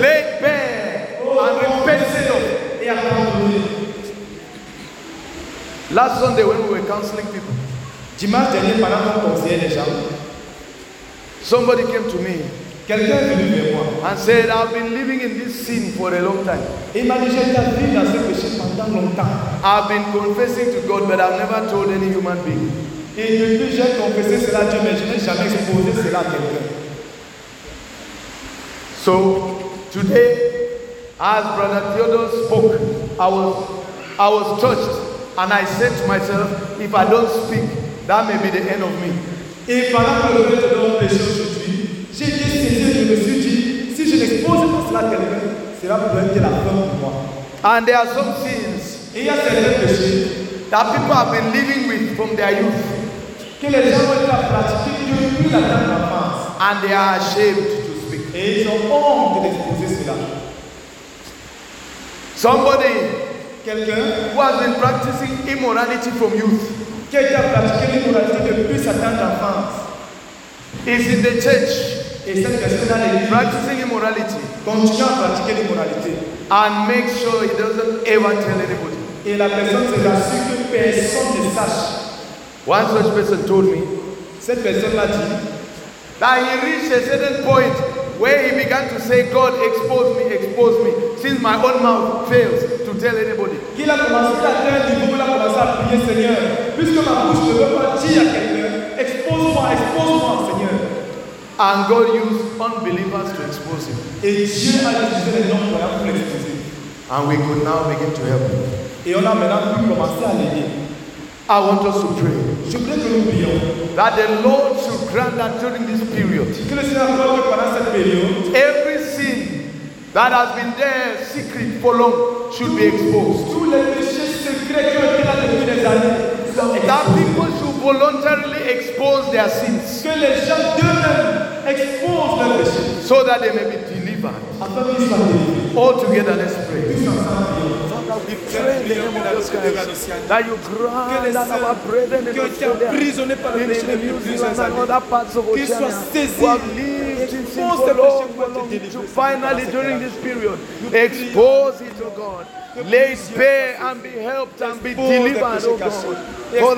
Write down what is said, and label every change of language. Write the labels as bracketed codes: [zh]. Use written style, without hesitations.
[en] Laid bare and repented of. [fr] Et abandonné. [en] Last Sunday when we were counseling people, [fr] dimanche dernier pendant qu'on conseillait les gens, [en] somebody came to me. [fr] Quelqu'un venu vers moi. [en] And said, I've been living in this sin for a long time. [fr] Il m'a dit, j'ai vécu dans ce péché pendant longtemps. [en] I've been confessing to God, but I've never told any human being. [fr] Et depuis, j'ai confessé cela à Dieu, mais je n'ai jamais exposé cela à quelqu'un. [en] So, today, as Brother Theodore spoke, I was touched. And I said to myself, if I don't speak, that may be the end of me. [fr] Et pendant que le Père te donne péché aujourd'hui, j'ai dit, Seigneur, je me suis dit, si je n'expose pas cela à quelqu'un, cela pourrait être la fin pour moi. [en] And there are some sins. [fr] Il y a certains péchés. [en] That people have been living with from their youth. [fr] Que les gens ont été pratiqués depuis la tendre enfance. [en] And they are ashamed to speak. [fr] Et ils ont honte d'exposer cela. [en] Somebody. [fr] Quelqu'un. [en] Who has been practicing immorality from youth. [fr] Qui a été pratiqué l'immoralité depuis sa tendre enfance. [en] Is in the church. [fr] Et cette personne dans l'église. [en] Practicing immorality. [fr] Continue à pratiquer l'immoralité. [en] And make sure he doesn't ever tell anybody. [fr] Et la personne se rassure que personne ne sache. [en] One such person told me. [fr] Cette personne m'a dit. [en] That he reached a certain point where he began to say, God, expose me, since my own mouth fails to tell anybody. [fr] Qu'il a commencé à faire du bon, il a commencé à prier, Seigneur, puisque ma bouche ne veut pas dire à quelqu'un, expose-moi, Seigneur. [en] And God used unbelievers to expose him. [fr] Et Dieu a utilisé les non-croyants pour l'exposer. [en] And we could now begin to help. [fr] Et on a maintenant pu commencer à l'aider. [en] I want us to pray. [fr] Je prie que nous prions. [en] That the Lord should grant that during this period. [fr] Que le Seigneur accorde pendant cette période. [en] Every sin that has been there secret for long should be exposed. [fr] Tous les péchés secrets qui ont été là depuis des années. [en] That people should voluntarily expose their sins. [fr] Que les gens d'eux-mêmes exposent leurs péchés. [en] So that they may be delivered. [fr] Afin qu'ils soient délivrés. [en] All together, let's pray. That you grant that our brethren in Australia, in the New Zealand and other parts of Oceania, who have lived in sin for long, to finally during this period expose it to God, lay it bare and be helped and be delivered, oh God.